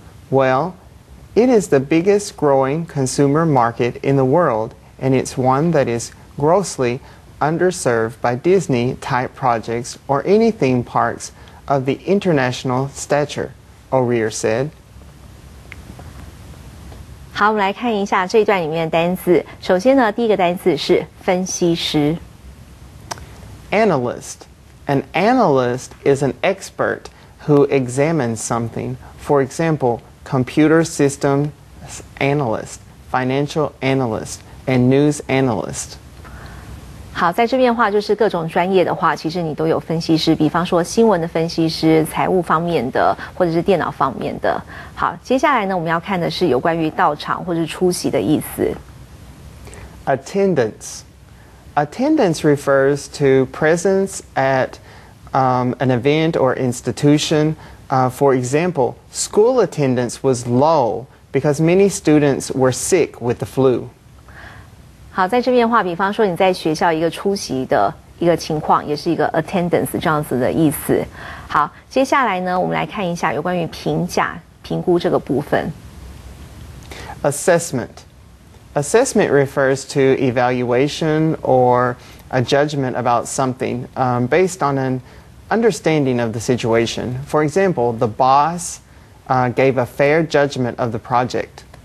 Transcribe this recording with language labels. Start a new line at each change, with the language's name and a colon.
English: Well, It is the biggest growing consumer market in the world, and it's one that is grossly underserved by Disney-type projects or any theme parks of the international stature, O'Rear said.
Chinese: 好，我们来看一下这一段里面的单词。首先呢，第一个单词是分析师。
English: Analyst. An analyst is an expert who examines something. For example,Computer system analyst, financial analyst, and news analyst.
Chinese: 好，在这边的话，就是各种专业的话，其实你都有分析师，比方说新闻的分析师、财务方面的，或者是电脑方面的。好，接下来呢，我们要看的是有关于到场或是出席的意思。
English: Attendance. Attendance refers to presence at an event or institution. For example, school attendance was low because many students were sick with the flu.
Chinese: 好，在这边的话，比方说你在学校一个出席的一个情况，也是一个 attendance 这样子的意思。好，接下来呢，我们来看一下有关于评价、评估这个部分。
English: Assessment. Assessment refers to evaluation or a judgment about something, based on anunderstanding of the situation. For example, the boss, gave a fair judgment of the project.